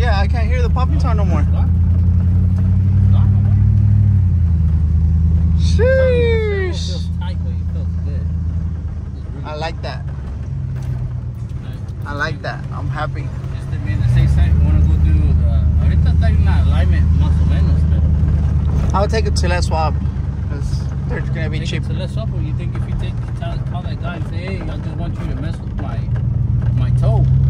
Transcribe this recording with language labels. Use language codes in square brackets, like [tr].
[en] Yeah, I can't hear the popping sound no more. It's not. Sheesh. It feels tight, but it feels good. Really I like that. Nice. I like that. I'm happy. Just to be in the same side, we want to go do the... [es] Ahorita está en la alignment, más o menos, pero... [en] I'll take it to that swap. They're gonna be cheap. So let's open. You think if you take call that guy and say, hey, I just want you to mess with my toe.